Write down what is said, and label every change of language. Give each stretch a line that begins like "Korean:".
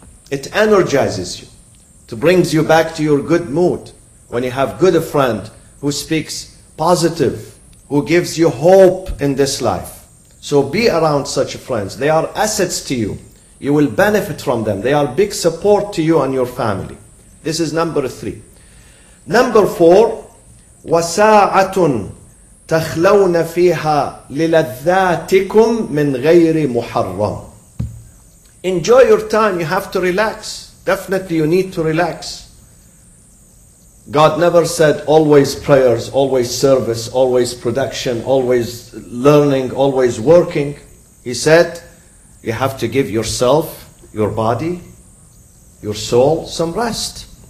English: It energizes you. It brings you back to your good mood. When you have good friend who speaks positive, who gives you hope in this life. So be around such friends. They are assets to you. You will benefit from them. They are big support to you and your family. This is number three. Number four,
Arabic: وَسَاعَةٌ تَخْلَوْنَ فِيهَا لِلَذَّاتِكُمْ مِنْ غَيْرِ مُحَرَّمٍ.
English: Enjoy your time. You have to relax. Definitely you need to relax. God never said always prayers, always service, always production, always learning, always working. He said you have to give yourself, your body, your soul some rest.